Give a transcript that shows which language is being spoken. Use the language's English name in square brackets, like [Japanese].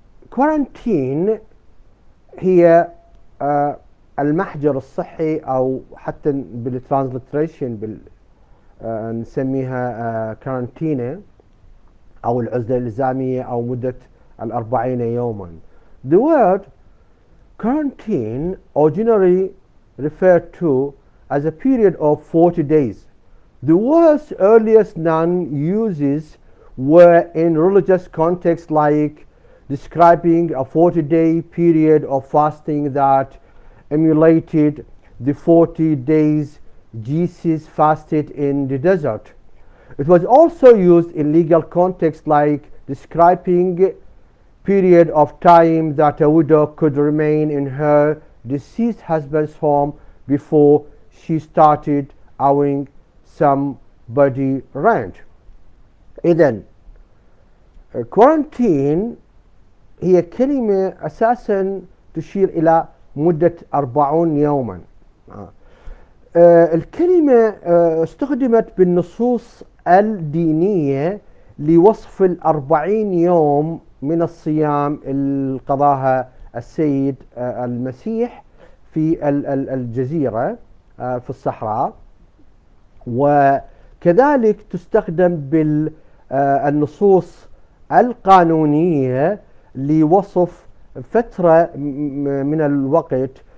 [Arabic] Quarantine هي المحجر الصحي، أو حتى بالترانسليتريشن نسميها كارانتينا أو العزلة الإلزامية أو مدة 40 يوما. [English] The word quarantine originally referred to as a period of 40 days. The word's earliest known uses were in religious contexts, like describing a 40-day period of fasting that emulated the 40 days Jesus fasted in the desert. It was also used in legal contexts, like describing period of time that a widow could remain in her deceased husband's home before she started owing somebody rent. [Arabic] إذن quarantine هي كلمة أساسا تشير إلى مدة 40 يوما. الكلمة استخدمت بالنصوص الدينية لوصف 40 يوم من الصيام اللي قضاها السيد المسيح في الجزيرة في الصحراء، وكذلك تستخدم بالنصوص القانونية لوصف فترة من الوقت